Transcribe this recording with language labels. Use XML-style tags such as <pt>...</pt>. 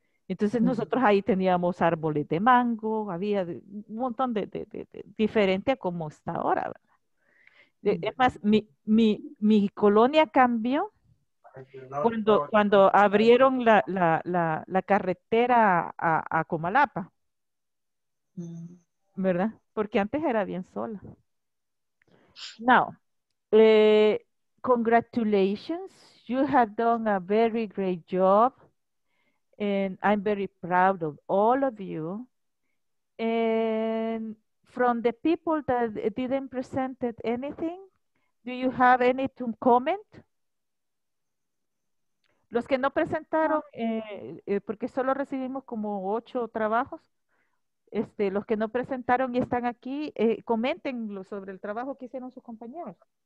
<es>Entonces nosotros ahí teníamos árboles de mango, había un montón de diferente a como está ahora, ¿verdad? Es más, mi colonia cambió cuando abrieron la carretera a Comalapa, ¿verdad? Porque antes era bien sola.</es> <en>Now, congratulations, you have done a very great job. And I'm very proud of all of you. And from the people that didn't present anything, do you have any to comment?</en> <es>Los que no presentaron, porque solo recibimos como 8 trabajos, los que no presentaron y están aquí, coméntenlo sobre el trabajo que hicieron sus compañeros.</es>